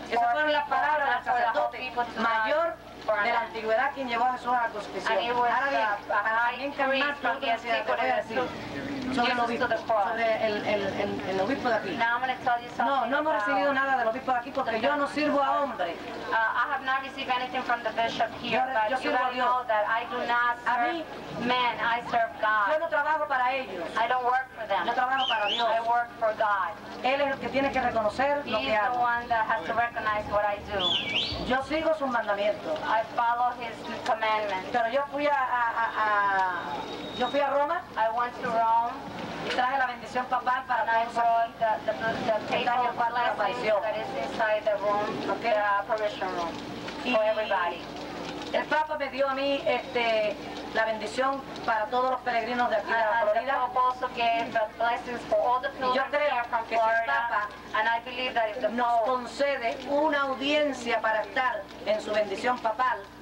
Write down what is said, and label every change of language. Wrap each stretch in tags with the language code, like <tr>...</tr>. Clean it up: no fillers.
<es>Esas fueron las palabras del sacerdote mayor de la antigüedad quien llevó a Jesús a la crucifixión. Ahora bien, también caminar por la ciudad de sobre el obispo de aquí. No, no hemos recibido nada del obispo de aquí porque yo no sirvo a hombre.</es> <en>I have not received anything from the bishop here, yo, but you know that I do not serve men, I serve God.</en> <es>Yo no trabajo para ellos.</es> <en>I don't work for them.</en> <es>Yo trabajo para Dios.</es> <en>I work for God.</en> <es>Él es el que tiene que reconocer lo que hago.</es> <en>He is the one that has to recognize what I do.</en> <es>Yo sigo sus mandamientos.</es> <en>I follow his commandments.</en> <es>Pero yo fui a Roma.</es> <en>I went to Rome.</en> <es>Y traje la bendición papal para todos. El Papa me dio a mí la bendición para todos los peregrinos de aquí de la Florida.</es> <en>The Pope also gave the blessings for all the pilgrims.</en> <es>Yo creo que si el Papa nos concede una audiencia para estar en su bendición papal,</es>